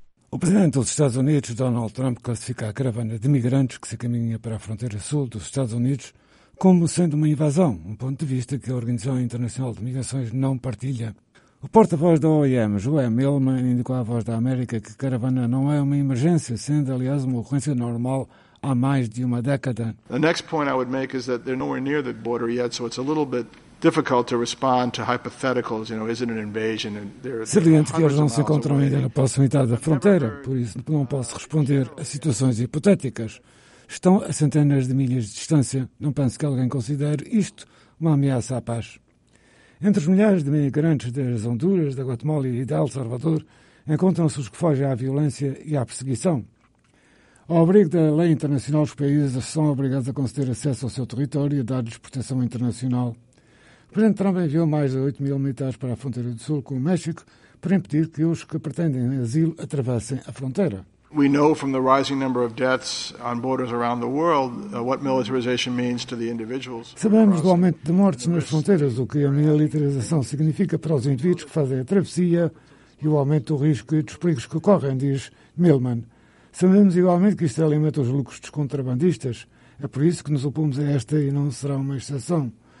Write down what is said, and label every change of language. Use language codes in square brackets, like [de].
[pt] O presidente dos Estados Unidos, Donald Trump, classifica a caravana de imigrantes que se caminha para a fronteira sul dos Estados Unidos como sendo uma invasão, um ponto de vista que a Organização Internacional de Migrações não partilha. O porta-voz da OIM, Joe Milman, indicou à Voz da América que a caravana não é uma emergência, sendo, aliás, uma ocorrência normal há mais de uma década. [en] The next point I would make is that they're nowhere near the border yet, so it's a little bit difficult to respond to hypotheticals, you know, is it an invasion? [pt] Saliente que eles não se encontram ainda na proximidade da fronteira, por isso não posso responder a situações hipotéticas. Estão a centenas de milhas de distância. Não penso que alguém considere isto uma ameaça à paz. Entre os milhares de migrantes das Honduras, da Guatemala e de El Salvador, encontram-se os que fogem à violência e à perseguição. Ao abrigo da lei internacional, os países são obrigados a conceder acesso ao seu território e dar-lhes proteção internacional. O presidente Trump enviou mais de 8 mil militares para a fronteira do sul com o México para impedir que os que pretendem asilo atravessem a fronteira. [en] We know from the rising number of deaths on borders around the world what militarization means to the individuals. [pt] Sabemos do aumento de mortes nas fronteiras, o que a militarização significa para os indivíduos que fazem a travessia e o aumento do risco e dos perigos que correm, diz Milman. Sabemos igualmente que isto alimenta os lucros dos contrabandistas. É por isso que nos opomos a esta e não será uma exceção.